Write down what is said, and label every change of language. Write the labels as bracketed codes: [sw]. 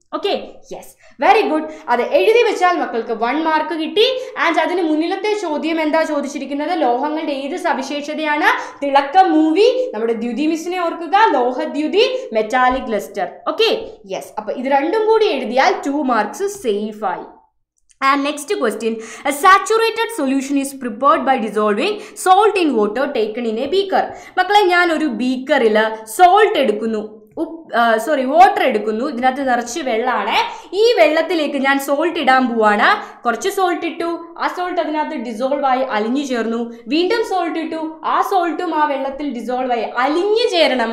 [ml] Okay, yes, very good. അത് എഴുതി വെച്ചാൽ മക്കൾക്ക് 1 മാർക്ക് കിട്ടി. ആൻഡ് അതിന് മുന്നിലത്തെ ചോദ്യം എന്താ ചോദിച്ചിരിക്കുന്നത്? ലോഹങ്ങളുടെ ഏത് സവിശേഷതയാണ് തിളക്കം മൂവി? നമ്മുടെ ദ്യുതി മിസ്സിനെ ഓർക്കുക, ലോഹദ്യുതി, മെറ്റാലിക് ലസ്റ്റർ. Okay, yes. അപ്പൊ ഇത് രണ്ടും കൂടി എഴുതിയാൽ 2 മാർക്സ് സേഫ് ആയി. [en] And next question, a saturated solution is prepared by dissolving salt in water taken in a beaker. [ml] മക്കളെ, ഞാൻ ഒരു ബീക്കറിൽ സോൾട്ട് എടുക്കുന്നു, വാട്ടർ എടുക്കുന്നു, ഇതിനകത്ത് നിറച്ച് വെള്ളമാണ്. ഈ വെള്ളത്തിലേക്ക് ഞാൻ സോൾട്ട് ഇടാൻ പോവാണ്. കുറച്ച് സോൾട്ട് ഇട്ടു, ആ സോൾട്ട് അതിനകത്ത് ഡിസോൾവ് ആയി അലിഞ്ഞു ചേർന്നു. വീണ്ടും സോൾട്ട് ഇട്ടു, ആ സോൾട്ടും ആ വെള്ളത്തിൽ ഡിസോൾവ് ആയി അലിഞ്ഞു ചേരണം.